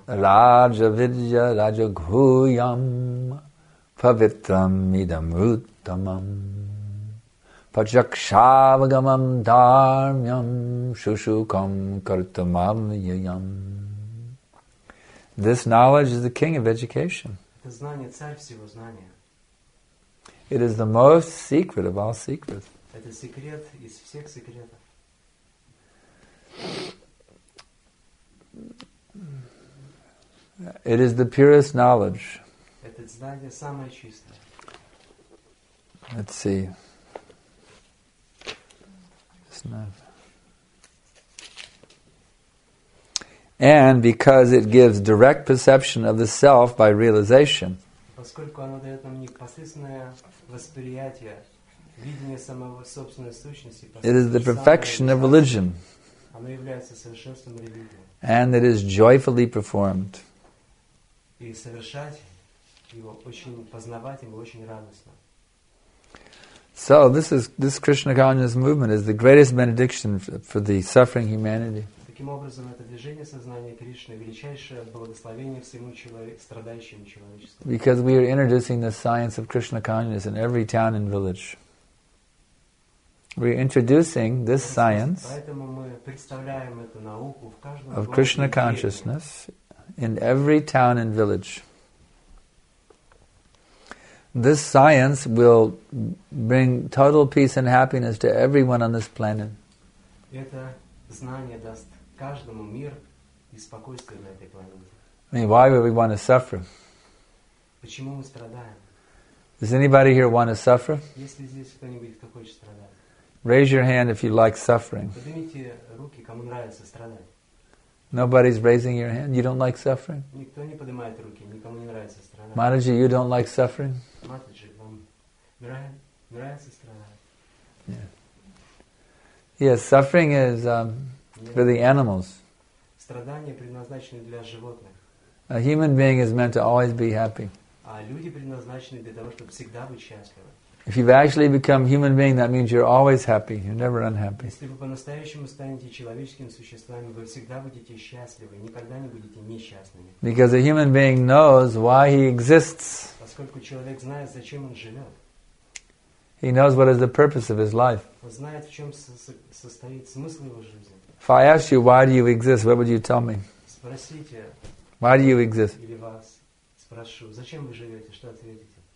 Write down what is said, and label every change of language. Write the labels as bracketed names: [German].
[English] Раджа видья раджа гхуям павитрам идам руттамам пачакшавагамам дармям шушукам картамам йоям. This knowledge is the king of education. [Russian] Знание, царь всего знания. [English] It is the most secret of all secrets. [Russian] Это секрет из всех секретов. [English] It is the purest knowledge. [Russian] Это знание самое чистое. [English] Let's see. It's not. And because it gives direct perception of the self by realization. [Russian] Поскольку оно дает нам непосредственное восприятие, видение самого собственной сущности. [English] It is the perfection of religion. [Russian] Оно является совершенством религии. [English] And it is joyfully performed. [Russian] И совершать его очень познавательно, очень радостно. [English] So this Krishna consciousness movement is the greatest benediction for the suffering humanity. [Russian] Таким образом, это движение сознания Кришны – величайшее благословение всему страдающему человечеству. [English] Because we are introducing the science of Krishna consciousness in every town and village. We are introducing this science of Krishna consciousness in every town and village. This science will bring total peace and happiness to everyone on this planet. [Russian] Это знание даст каждому мир и спокойствие на этой планете. [English] I mean, why would we want to suffer? [Russian] Почему мы страдаем? [English] Does anybody here want to suffer? [Russian] Если здесь кто-нибудь, кто хочет страдать. [English] Raise your hand if you like suffering. [Russian] Поднимите руки, кому нравится страдать. [English] Nobody's raising your hand. You don't like suffering? [Russian] Никто не поднимает руки, никому не нравится страдать. [English] Матаджи, you don't like suffering? [Russian] Матаджи, вам нравится страдать? [English] Yeah. Yes, suffering is for the animals. [Russian] Страдания предназначены для животных. [English] A human being is meant to always be happy. [Russian] А люди предназначены для того, чтобы всегда быть счастливы. [English] If you've actually become human being, that means you're always happy. You're never unhappy. [Russian] Если вы по-настоящему станете человеческим существом, вы всегда будете счастливы, никогда не будете несчастными. [English] Because a human being knows why he exists. [Russian] Поскольку человек знает, зачем он живет. [English] He knows what is the purpose of his life. [Russian] Он знает, в чем состоит смысл его жизни. [English] If I asked you, why do you exist, what would you tell me? [Russian] Спросите, [English] why do you exist? [Russian] Или вас спрошу, зачем вы живете, что ответите?